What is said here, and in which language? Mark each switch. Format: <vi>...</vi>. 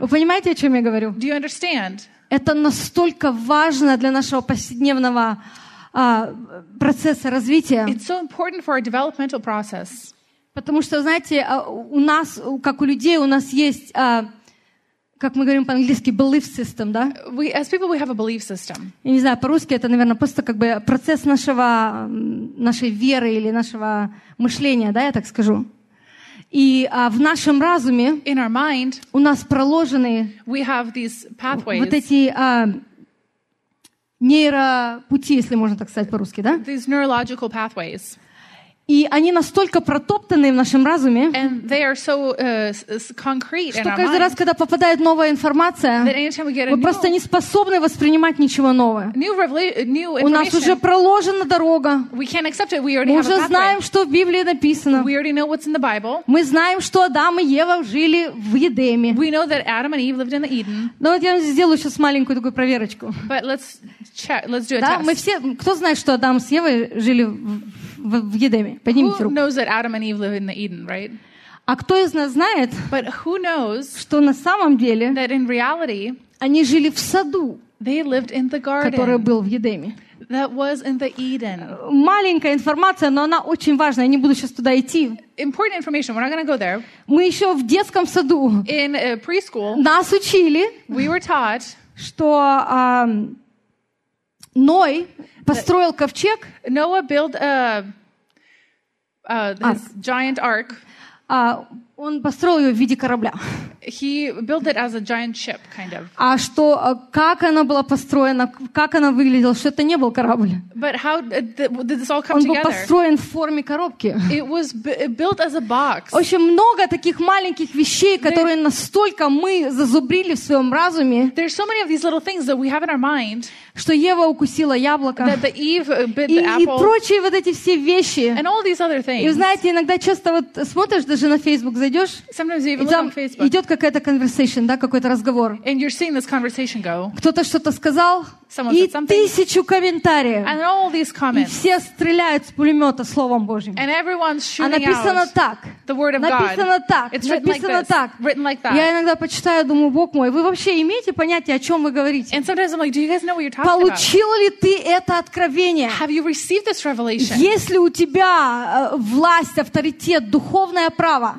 <ru>Вы понимаете, о чем я говорю?</ru> <en>Do you understand?</en> <ru>Это настолько важно для нашего повседневного процесса развития.</ru> <en>It's so important for our developmental process.</en> <ru>Потому что, знаете, у нас, как у людей, у нас есть, как мы говорим по-английски, belief system, да?</ru> <en>We, as people, we have a belief system.</en> <ru>Я не знаю, по-русски это, наверное, просто как бы процесс нашей веры или нашего мышления, да, я так скажу. И в нашем разуме</ru> <en>in our mind,</en> <ru>у нас проложены</ru> <en>we have these pathways,</en> <ru>вот эти нейропути, если можно так сказать по-русски, да?</ru> <en>These neurological pathways.</en> <ru>И они настолько протоптаны в нашем разуме,</ru> <en>and they are so, concrete</en> <ru>что каждый раз, когда попадает новая информация, вы просто не способны воспринимать ничего нового. У нас уже проложена дорога.</ru> <en>We can't accept it.</en> <ru>Мы уже знаем, что в Библии написано.</ru> <en>We already know what's in the Bible.</en> <ru>Мы знаем, что Адам и Ева жили в Эдеме.</ru> <en>We know that Adam and Eve lived in the Eden.</en> <ru>Но вот я сделаю сейчас маленькую такую проверочку.</ru> <en>But let's do a</en> <ru>да,</ru> <en>test.</en> <ru>Мы все, кто знает, что Адам с Евой жили в Эдеме? Поднимите руку.</ru> <en>Who knows that Adam and Eve live in the Eden, right?</en> <ru>А кто из нас знает,</ru> <en>but who knows,</en> <ru>что на самом деле</ru> <en>that in reality,</en> <ru>они жили в саду,</ru> <en>they lived in the garden,</en> <ru>который был в Эдеме?</ru> <en>That was in the Eden.</en> <ru>Маленькая информация, но она очень важная. Я не буду сейчас туда идти.</ru> <en>Important information. We're not going to go there.</en> <ru>Мы еще в детском саду</ru> <en>in preschool,</en> <ru>нас учили,</ru> <en>we were taught,</en> <ru>что Ной построил ковчег.</ru> <en>Noah built a this giant ark.</en> <ru>Он построил ее в виде корабля.</ru> <en>He built it as a giant ship, kind of.</en> <ru>А что, как она была построена, как она выглядела, что это не был корабль.</ru> <en>But how did this all come</en> <ru>он</ru> <en>together?</en> <ru>Он был построен в форме коробки.</ru> <en>It was built as a box.</en> <ru>Очень много таких маленьких вещей, которые настолько мы зазубрили в своем разуме.</ru> <en>There's so many of these little things that we have in our mind.</en> <ru>Что Ева укусила яблоко.</ru> <en>That the Eve bit the apple.</en> <ru>И прочие вот эти все вещи.</ru> <en>And all these other things.</en> <ru>И знаете, иногда часто вот смотришь даже на Facebook, зайдешь.</ru> <en>Sometimes you even look on Facebook.</en> <ru>Идет какая-то conversation, да, какой-то разговор.</ru> <en>And you're seeing this conversation go.</en> <ru>Кто-то что-то сказал.</ru> <en>Someone said something.</en> <ru>И тысячу комментариев.</ru> <en>And all these comments.</en> <ru>И все стреляют с пулемета Словом Божьим.</ru> <en>And everyone's shooting out.</en> <ru>А написано так.</ru> <en>The word of God.</en> <ru>Написано так.</ru> <en>It's written</en> <ru>написано</ru> <en>like this.</en> <ru>Так.</ru> <en>Written like that.</en> <ru>Я иногда почитаю, думаю, Бог мой, вы вообще имеете понятие, о чем вы говорите?</ru> <en>And sometimes I'm like, do you guys know what you're talking</en> <ru>получил</ru> <en>about?</en> <ru>Ли ты это откровение?</ru> <en>Have you received this revelation?</en> <ru>Есть ли у тебя власть, авторитет, духовное право?</ru>